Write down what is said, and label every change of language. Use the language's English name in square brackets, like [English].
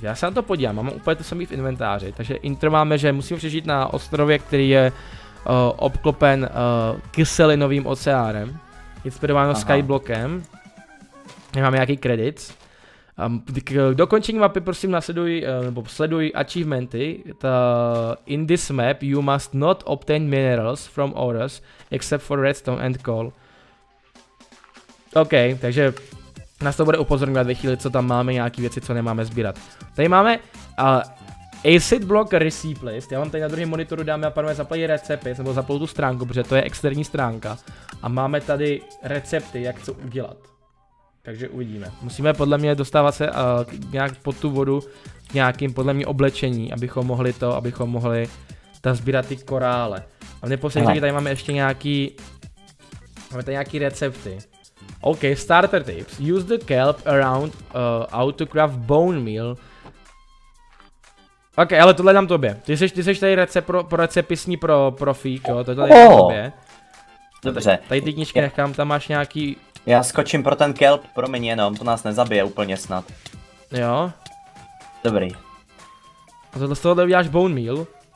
[Czech] Já se na to podívám, mám úplně to samý v inventáři, takže intro máme, že musíme přežít na ostrově, který je obklopen kyselinovým oceánem. Inspirováno Skyblockem. Nemáme nějaký kredit. K dokončení mapy prosím následuj, nebo sleduj achievementy. [English] In this map you must not obtain minerals from ores except for redstone and coal. [Czech] OK, takže nás to bude upozorňovat ve chvíli, co tam máme, nějaký věci, co nemáme sbírat. Tady máme acid block receipt list. Já vám tady na druhém monitoru dáme a panové zaplej recepty, nebo zaplou tu stránku, protože to je externí stránka. A máme tady recepty, jak to udělat. Takže uvidíme. Musíme podle mě dostávat se nějak pod tu vodu nějakým podle mě oblečení, abychom mohli tam sbírat ty korále. A v neposlední tady máme ještě nějaký. Máme tady nějaký recepty. [English] OK, starter tips. Use the kelp around out to craft bone meal. [Czech] OK, ale tohle dám tobě. Ty seš tady recepisní pro profík, jo, tohle dám tobě. Dobře. Tady ty knížky nechám, tam máš nějaký. Já skočím pro ten kelp, promiň jenom, to nás nezabije úplně snad. Jo. Dobrý. A tohle z tohohle uděláš bone meal.